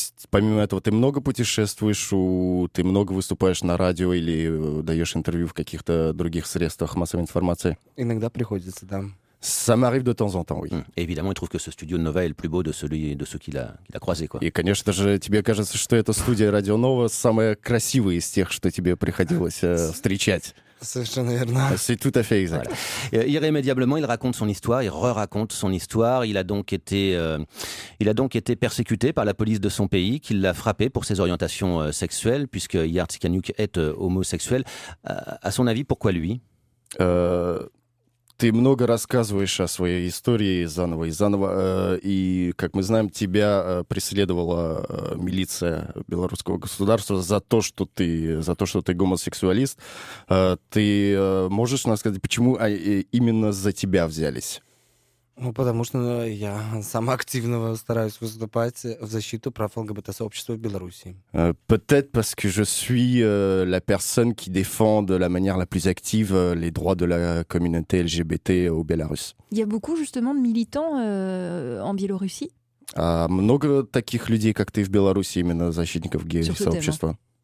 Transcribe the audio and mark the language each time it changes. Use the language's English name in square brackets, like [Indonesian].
[Russian] Помимо этого, ты много путешествуешь, ты много выступаешь на радио или даешь интервью в каких-то других средствах массовой информации? Иногда приходится, да. [French] Ça m'arrive de temps en temps, oui. Et évidemment, il trouve que ce studio Nova est le plus beau de celui de ceux qu'il a croisé, quoi. [Russian] Et конечно же, тебе кажется, что эта студия Radio Nova самая красивая из тех, что тебе приходилось встречать. Совершенно верно. [French] C'est tout à fait exact. Voilà. Irrémédiablement, il raconte son histoire, il re-raconte son histoire. Il a donc été persécuté par la police de son pays, qui l'a frappé pour ses orientations sexuelles, puisque Iyar Tsikhanouk est homosexuel. À son avis, pourquoi lui? [Russian] Ты много рассказываешь о своей истории заново и заново. И, как мы знаем, тебя преследовала милиция белорусского государства за то, что ты гомосексуалист. Ты можешь нам сказать, почему именно за тебя взялись? Ну, потому что я сам активно стараюсь выступать в защиту прав ЛГБТ-сообщества в Беларуси. [French] Peut-être parce que je suis la personne qui défend de la manière la plus active les droits de la communauté LGBT au Belarus. Il y a beaucoup justement de militants en Biélorussie. [Russian] Много таких людей, как ты, в Беларуси, именно защитников гей-сообщества?